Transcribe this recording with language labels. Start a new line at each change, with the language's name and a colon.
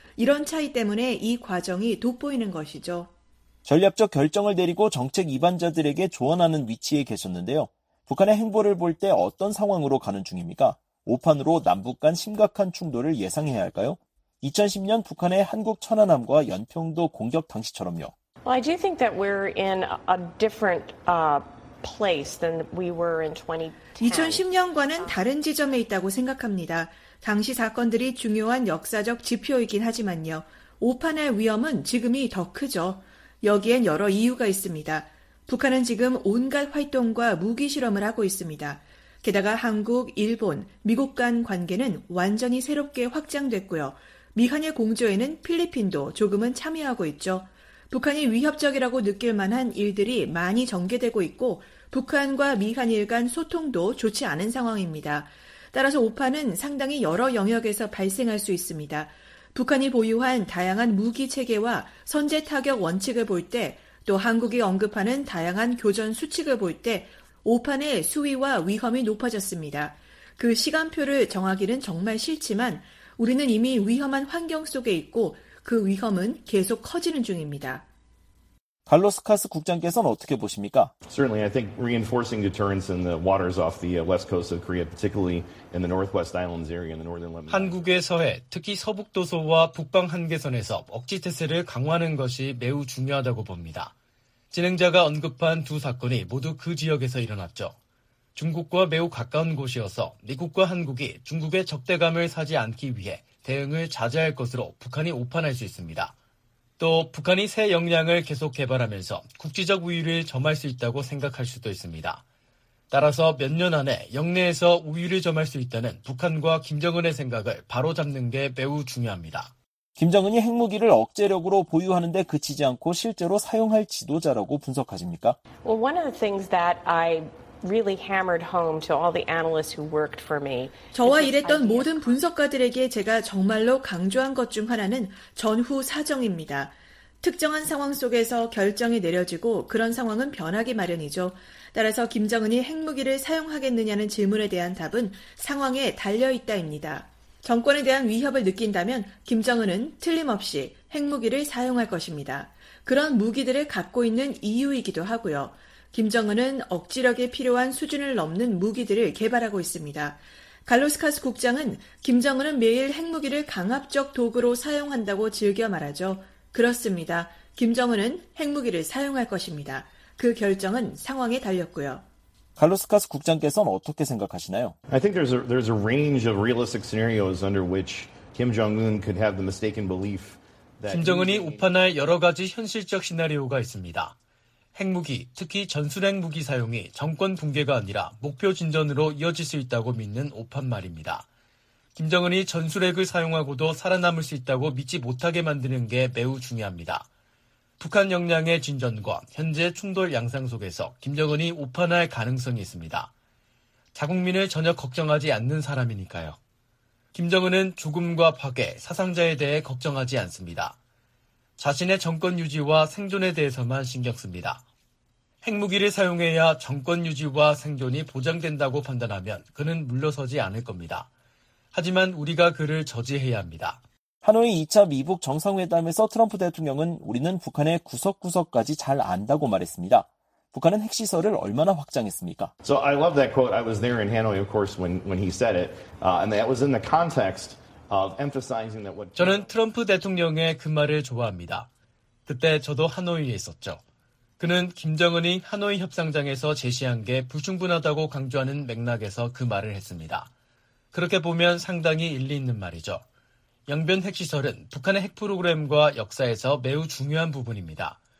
Korean: 이런 차이 때문에 이 과정이 돋보이는 것이죠. 전략적 결정을 내리고 정책 이반자들에게 조언하는 위치에 계셨는데요. 북한의 행보를 볼 때 어떤 상황으로 가는 중입니까? 오판으로 남북 간 심각한 충돌을 예상해야 할까요? 2010년 북한의 한국 천안함과 연평도 공격 당시처럼요.
English: Well, I do think that we're in a different place than we were in 2010.
Korean: 2010년과는 다른 지점에 있다고 생각합니다. 당시 사건들이 중요한 역사적 지표이긴 하지만요. 오판의 위험은 지금이 더 크죠. 여기엔 여러 이유가 있습니다. 북한은 지금 온갖 활동과 무기 실험을 하고 있습니다. 게다가 한국, 일본, 미국 간 관계는 완전히 새롭게 확장됐고요. 미한일 공조에는 필리핀도 조금은 참여하고 있죠. 북한이 위협적이라고 느낄 만한 일들이 많이 전개되고 있고 북한과 미한일 간 소통도 좋지 않은 상황입니다. 따라서 오판은 상당히 여러 영역에서 발생할 수 있습니다. 북한이 보유한 다양한 무기 체계와 선제 타격 원칙을 볼 때 또 한국이 언급하는 다양한 교전 수칙을 볼 때 오판의 수위와 위험이 높아졌습니다. 그 시간표를 정하기는 정말 싫지만 우리는 이미 위험한 환경 속에 있고 그 위험은 계속 커지는 중입니다. 칼로스 카스 국장께서는 어떻게 보십니까?
English: Certainly, I think reinforcing deterrence in the waters off the west coast of Korea, particularly in the Northwest Islands area in the northern Lemon.
Korean: 한국의 서해, 특히 서북 도서와 북방 한계선에서 억지 태세를 강화하는 것이 매우 중요하다고 봅니다. 진행자가 언급한 두 사건이 모두 그 지역에서 일어났죠. 중국과 매우 가까운 곳이어서 미국과 한국이 중국의 적대감을 사지 않기 위해 대응을 자제할 것으로 북한이 오판할 수 있습니다. 또 북한이 새 역량을 계속 개발하면서 국지적 우위를 점할 수 있다고 생각할 수도 있습니다. 따라서 몇 년 안에 역내에서 우위를 점할 수 있다는 북한과 김정은의 생각을 바로잡는 게 매우 중요합니다. 김정은이 핵무기를 억제력으로 보유하는 데 그치지 않고 실제로 사용할 지도자라고 분석하십니까?
English: Well, one of the things that I really hammered home to all the analysts who worked for me.
Korean: 저와 일했던 모든 분석가들에게 제가 정말로 강조한 것 중 하나는 전후 사정입니다. 특정한 상황 속에서 결정이 내려지고 그런 상황은 변하기 마련이죠. 따라서 김정은이 핵무기를 사용하겠느냐는 질문에 대한 답은 상황에 달려있다입니다. 정권에 대한 위협을 느낀다면 김정은은 틀림없이 핵무기를 사용할 것입니다. 그런 무기들을 갖고 있는 이유이기도 하고요. 김정은은 억지력이 필요한 수준을 넘는 무기들을 개발하고 있습니다. 갈로스카스 국장은 김정은은 매일 핵무기를 강압적 도구로 사용한다고 즐겨 말하죠. 그렇습니다. 김정은은 핵무기를 사용할 것입니다. 그 결정은 상황에 달렸고요. 갈로스카스 국장께서는 어떻게 생각하시나요?
English: I think there's a range of realistic scenarios under which Kim Jong-un could have the mistaken belief that
Korean: 김정은이 오판할 여러 가지 현실적 시나리오가 있습니다. 핵무기, 특히 전술핵무기 사용이 정권 붕괴가 아니라 목표 진전으로 이어질 수 있다고 믿는 오판 말입니다. 김정은이 전술핵을 사용하고도 살아남을 수 있다고 믿지 못하게 만드는 게 매우 중요합니다. 북한 역량의 진전과 현재 충돌 양상 속에서 김정은이 오판할 가능성이 있습니다. 자국민을 전혀 걱정하지 않는 사람이니까요. 김정은은 죽음과 파괴, 사상자에 대해 걱정하지 않습니다. 자신의 정권 유지와 생존에 대해서만 신경 씁니다. 핵무기를 사용해야 정권 유지와 생존이 보장된다고 판단하면 그는 물러서지 않을 겁니다. 하지만 우리가 그를 저지해야 합니다. 하노이 2차 미북 정상회담에서 트럼프 대통령은 우리는 북한의 구석구석까지 잘 안다고 말했습니다. 북한은 핵시설을 얼마나 확장했습니까?
English: So I love that quote. I was there in Hanoi, of course, when he said it. And that was in the context of emphasizing that what
Korean: 저는 트럼프 대통령의 그 말을 좋아합니다. 그때 저도 하노이에 있었죠. 그는 김정은이 하노이 협상장에서 제시한 게 불충분하다고 강조하는 맥락에서 그 말을 했습니다. 그렇게 보면 상당히 일리 있는 말이죠. 영변 핵시설은 북한의 핵 프로그램과 역사에서 매우 중요한 부분입니다.